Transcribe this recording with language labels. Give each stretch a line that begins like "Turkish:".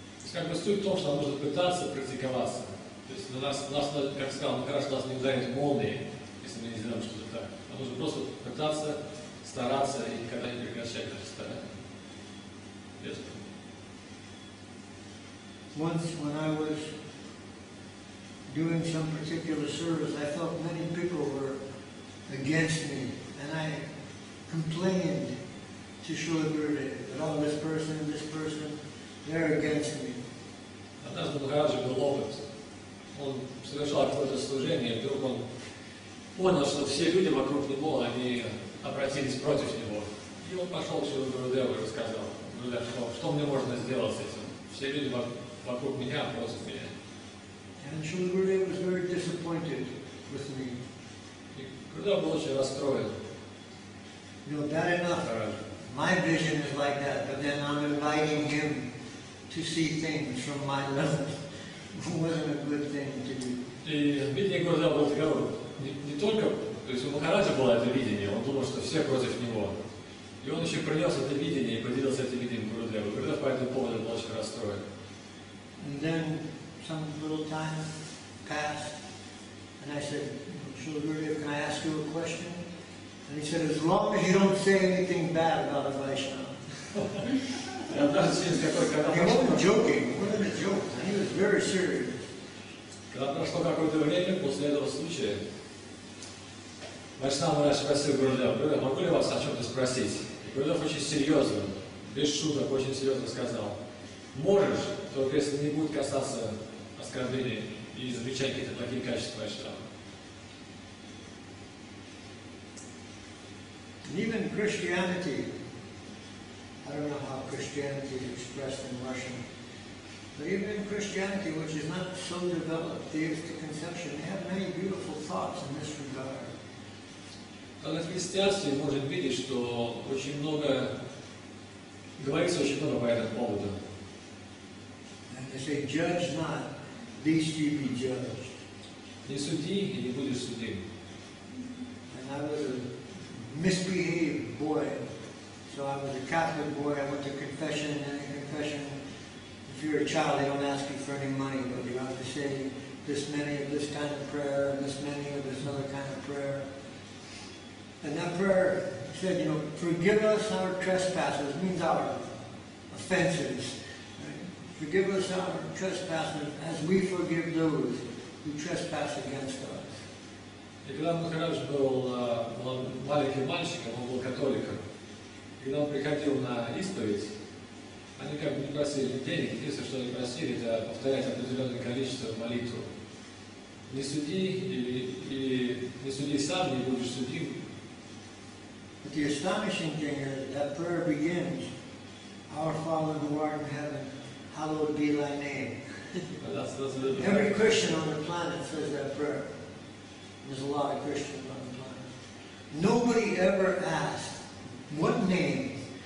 Russian: Как бы суть в том, что нужно пытаться практиковаться. То есть на нас, как сказал Махарадж, нас не ударит молнии. если мы не сделаем что-то так. А нужно просто пытаться, стараться и никогда не прекращать это старание.
English: Once when I was doing some particular service, I felt many people were against me, and I complained to Śrīla Gurudeva that all this person, they're against me.
Russian: Однажды Махараджа был опыт. Он совершал какое-то служение, и вдруг он понял, что все люди вокруг него, они обратились против него. И он пошел к Śrīla Gurudeva и рассказал, что мне можно сделать с этим. Все люди вокруг меня, против меня.
English: And Śrīla Gurudeva was very disappointed with me.
Russian: И Gurudeva был очень расстроен.
English: You know, bad enough. My vision is like that, but then I'm inviting him to see things from my level. It wasn't a good thing to do.
Russian: И видение Gurudeva было такое, не только, то есть у Махараджа было это видение, он думал, что все против него. И он еще принес это видение и поделился этим видением Gurudeva. Gurudeva по этому поводу был очень расстроен.
English: And then some little time passed, and I said, Śrīla Gurudeva, can I ask you a question? And he said, as long as you don't say anything bad about a Vaishnava. He wasn't joking, it wasn't a joke. He was very serious.
Russian: Когда прошло какое-то время после этого случая, Vaishnava Maharaj спросил Gurudeva, могу ли вас о чем-то спросить? Gurudeva очень серьезно, без шуток, очень серьезно сказал, можешь, только если не будет касаться оскорбления и замечать какие-то плохие качества Vaishnava.
English: Even Christianity, I don't know how Christianity is expressed in Russian, but even in Christianity, which is not so developed, theistic conception, they have many beautiful thoughts in this regard.
Russian: Но в христианстве можем видеть, что очень много говорится очень много по этому поводу.
English: And they say, judge not, lest ye be judged.
Russian: Не суди, и не будешь судим.
English: And I was a misbehaved boy. So I was a Catholic boy. I went to confession, and in confession, if you're a child, they don't ask you for any money, but you have to say this many of this kind of prayer and this many of this other kind of prayer. And that prayer said, you know, forgive us our trespasses, means our offenses. Right? Forgive us our trespasses as we forgive those who trespass against us.
Russian: И когда Махарадж был маленьким мальчиком, он был католиком, когда он приходил на исповедь, они как бы не просили денег, единственное, что они просили, это повторять определенное количество молитв. Не суди, и не суди сам, не будешь судим.
English: But the astonishing thing is that prayer begins, Our Father who art in heaven, hallowed be thy name. Every Christian on the planet says that prayer. There's a lot of Christians on the planet. Nobody ever asked, what name?